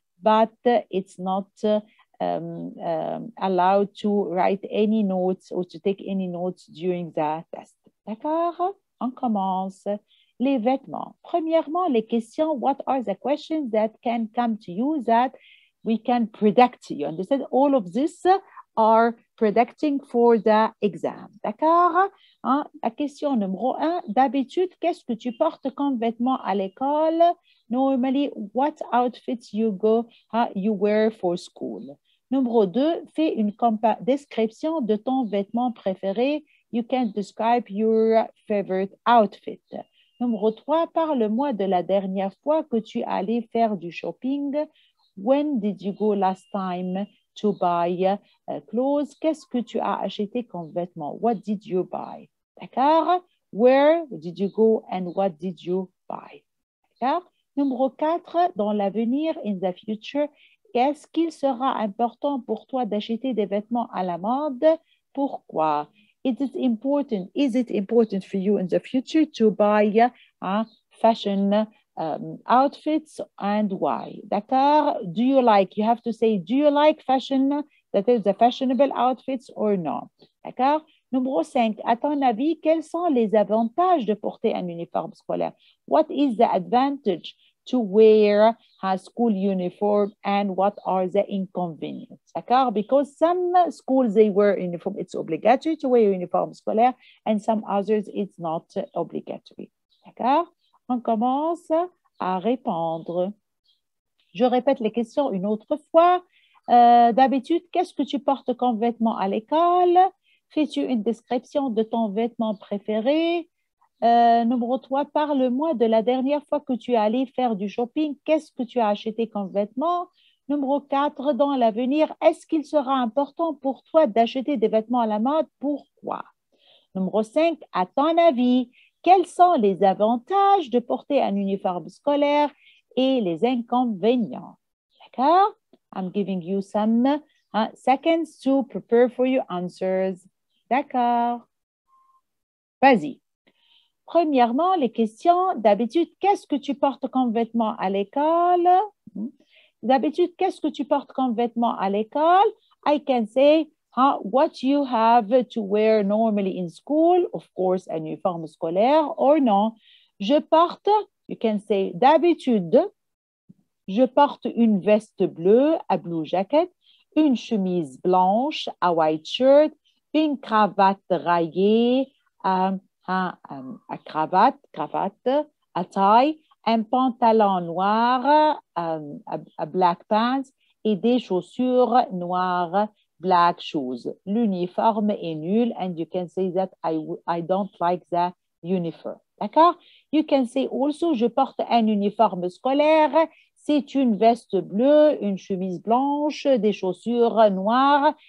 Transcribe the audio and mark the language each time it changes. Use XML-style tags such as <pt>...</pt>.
<en>But it's not allowed to write any notes or to take any notes during the test.</en> <fr>D'accord? On commence. Les vêtements. Premièrement, les questions.</fr> <en>What are the questions that can come to you that we can predict? You understand? All of this are predicting for the exam.</en> <fr>D'accord? Hein? La question numéro un. D'habitude, qu'est-ce que tu portes comme vêtements à l'école?</fr> <en>Normally, what outfits you go, you wear for school.</en> <fr>Numéro deux, fais une description de ton vêtement préféré.</fr> <en>You can describe your favorite outfit.</en> <fr>Numéro trois, parle-moi de la dernière fois que tu allais faire du shopping.</fr> <en>When did you go last time to buy clothes?</en> <fr>Qu'est-ce que tu as acheté comme vêtement?</fr> <en>What did you buy? D'accord? Where did you go and what did you buy?</en> <fr>D'accord? Numéro 4, dans l'avenir,</fr> <en>in the future,</en> <fr>est-ce qu'il sera important pour toi d'acheter des vêtements à la mode? Pourquoi?</fr> <en>Is it important for you in the future to buy fashion outfits and why? D'accord? Do you like, you have to say, do you like fashion, that is the fashionable outfits or not?</en> <fr>D'accord? Numéro 5, à ton avis, quels sont les avantages de porter un uniforme scolaire?</fr> <en>What is the advantage to wear a school uniform and what are the inconvenience? D'accord? Because some schools, they wear uniform, it's obligatory to wear uniform scolaire and some others, it's not obligatory.</en> <fr>D'accord? On commence à répondre. Je répète les questions une autre fois. D'habitude, qu'est-ce que tu portes comme vêtements à l'école? Fais-tu une description de ton vêtement préféré? Numéro 3, parle-moi de la dernière fois que tu es allé faire du shopping. Qu'est-ce que tu as acheté comme vêtements? Numéro 4, dans l'avenir, est-ce qu'il sera important pour toi d'acheter des vêtements à la mode? Pourquoi? Numéro 5, à ton avis, quels sont les avantages de porter un uniforme scolaire et les inconvénients? D'accord?</fr> <en>I'm giving you some seconds to prepare for your answers.</en> <fr>D'accord. Vas-y. Premièrement, les questions. D'habitude, qu'est-ce que tu portes comme vêtements à l'école? D'habitude, qu'est-ce que tu portes comme vêtements à l'école?</fr> <en>I can say what you have to wear normally in school. Of course,</en> <fr>un uniforme scolaire or non. Je porte,</fr> <en>you can say,</en> <fr>d'habitude, je porte une veste bleue,</fr> <en>a blue jacket,</en> <fr>une chemise blanche,</fr> <en>a white shirt,</en> <fr>une cravate raillée, cravate,</fr> <en>a tie,</en> <fr>un pantalon noir,</fr> <en>a black pants,</en> <fr>et des chaussures noires,</fr> <en>black shoes.</en> <fr>L'uniforme est nul,</fr> <en>and you can say that I don't like the uniform.</en> <fr>D'accord?</fr> <en>You can say also,</en> <fr>je porte un uniforme scolaire. C'est une veste bleue, une chemise blanche, des chaussures noires.</fr>